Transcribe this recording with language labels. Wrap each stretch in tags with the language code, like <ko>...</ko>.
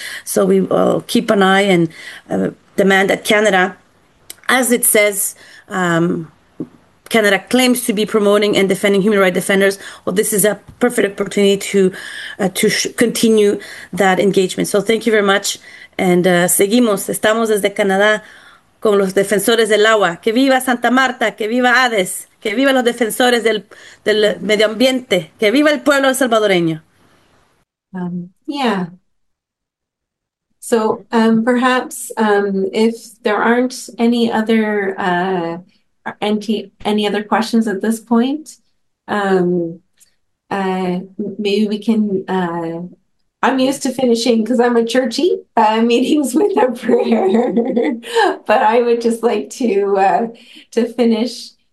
<en>So we will keep an eye and demand that Canada, as it says, Canada claims to be promoting and defending human rights defenders. Well, this is a perfect opportunity to continue that engagement. So thank you very much.</en> <es>And seguimos, estamos desde Canadá con los defensores del agua. Que viva Santa Marta, que viva Hades, que viva los defensores del medio ambiente, que viva el pueblo salvadoreño.</es> <en>So perhaps if there aren't any other any other questions at this point, maybe we can, I'm used to finishing because I'm a churchy, meetings with a prayer, but I would just like to finish</en>